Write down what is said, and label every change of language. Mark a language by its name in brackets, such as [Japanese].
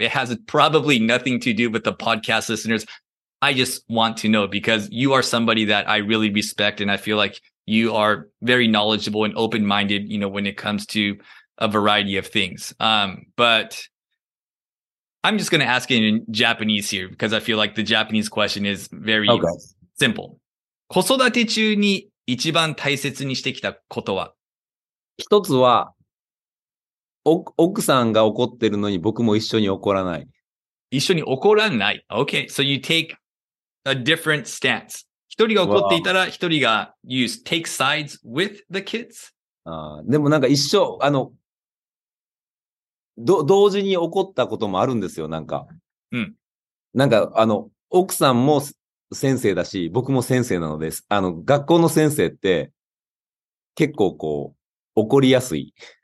[English] It has probably nothing to do with the podcast listeners. I just want to know, because you are somebody that I really respect, and I feel like you are very knowledgeable and open-minded, you know, when it comes to a variety of things. But I'm just going to ask it in Japanese here, because I feel like the Japanese question is very simple. [Japanese] 子育て中に一番大切にしてきたことは。一つは、奥さんが怒ってるのに僕も一緒に怒らない。一緒に怒らない。 [English] Okay, so you take a different stance. [Japanese] 一人が怒っていたら、一人が [English] use take sides with the kids. [Japanese] あ、でもなんか一緒、同時に怒ったこともあるんですよ、なんか。うん。なんか、奥さんも先生だし、僕も先生なので、学校の先生って、結構こう、怒りやすい。